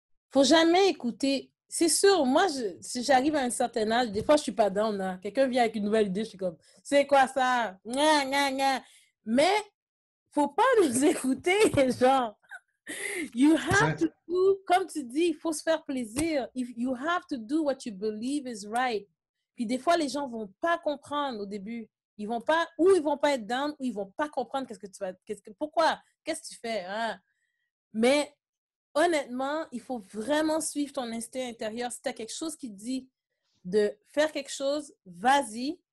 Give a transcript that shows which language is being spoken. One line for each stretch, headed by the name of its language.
French: Faut jamais écouter. C'est sûr, moi, si j'arrive à un certain âge, des fois, je suis pas down. Hein. Quelqu'un vient avec une nouvelle idée, je suis comme, c'est quoi ça? Nya, nya, nya. Mais faut pas nous écouter, genre.
English: You have
French: Exact.
English: to do,
French: comme tu dis, il faut se faire plaisir.
English: If you have to do what you believe is right.
French: Puis des fois, les gens ne vont pas comprendre au début. Ils vont pas, ou ils ne vont pas être down, ou ils ne vont pas comprendre qu'est-ce que tu vas, qu'est-ce que, pourquoi, qu'est-ce que tu fais. Hein? Mais honnêtement, il faut vraiment suivre ton instinct intérieur. Si tu as quelque chose qui dit de faire quelque chose, vas-y.